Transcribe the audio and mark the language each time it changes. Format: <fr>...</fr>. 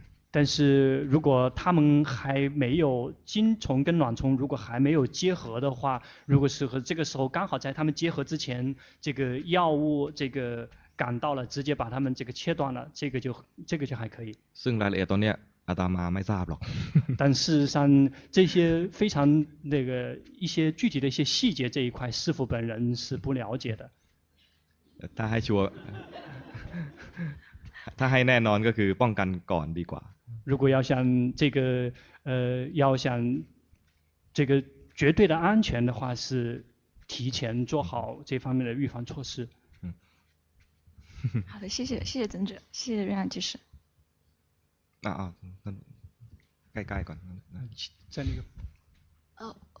<zh>但是如果他们还没有精虫跟卵虫如果还没有结合的话如果是和这个时候刚好在他们结合之前这个药物这个赶到了直接把他们这个切断了这个就还可以</zh> <th>ซึ่งรายละเอียดตรงนี้อาตมาไม่ทราบหรอก</th> <zh>但事实上这些非常那个一些具体的一些细节这一块师父本人是不了解的</zh> <th>ถ้าให้ชัวร์ถ้าให้แน่นอนก็คือป้องกันก่อนดีกว่า</th> <zh>如果要想这个要想这个绝对的安全的话是提前做好这方面的预防措施。好的，谢谢，谢谢曾者，谢谢任阳居士。在那个。</zh>